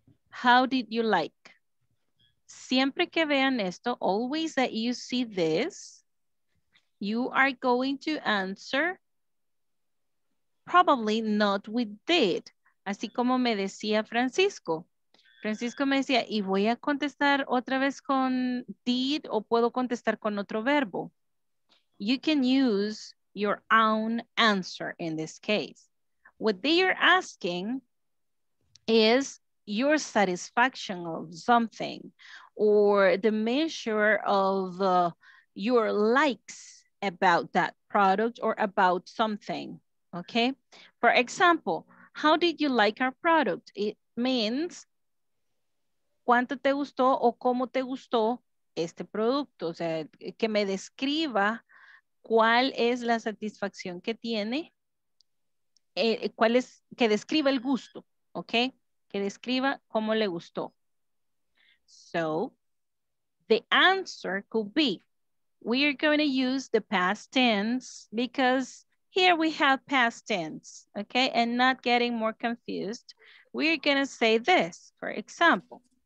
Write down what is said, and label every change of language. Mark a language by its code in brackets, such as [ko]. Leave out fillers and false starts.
[en] How did you like? [es] Siempre que vean esto, [en] always that you see this, you are going to answer probably not with did. [es] Así como me decía Francisco. Francisco me decía, ¿y voy a contestar otra vez con did o puedo contestar con otro verbo? [en] You can use your own answer in this case. What they are asking is your satisfaction of something or the measure of your likes about that product or about something, okay? For example, how did you like our product? It means... [es] ¿Cuánto te gustó o cómo te gustó este producto? O sea, que me describa cuál es la satisfacción que tiene, cuál es, que describa el gusto, ¿ok? Que describa cómo le gustó. [en] So, the answer could be, we are going to use the past tense because here we have past tense, ¿ok? And not getting more confused, we are going to say this, for example.